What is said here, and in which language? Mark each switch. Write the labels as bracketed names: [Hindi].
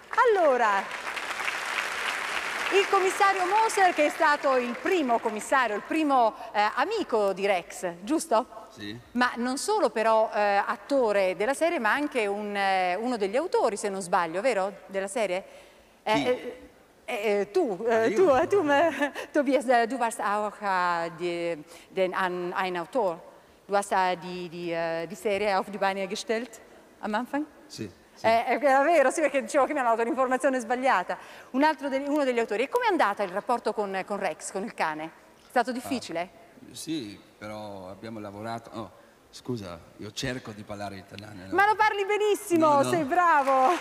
[Italian] Allora, il commissario Moser, che è stato il primo commissario, il primo amico di Rex, giusto? Sì. Ma non solo però attore della serie, ma anche uno degli autori, se non sbaglio, vero? Della serie? Chi? [German] Tobias, du warst auch ein Autor. Du hast die Serie auf die Beine gestellt am Anfang? [Italian] Sì. Era vero, sì, perché dicevo che mi hanno dato un'informazione sbagliata. Uno degli autori. E com'è andata il rapporto con Rex, con il cane? È stato difficile? Sì, però abbiamo lavorato... Oh, scusa, io cerco di parlare italiano. No? Ma lo parli benissimo, no. Sei bravo!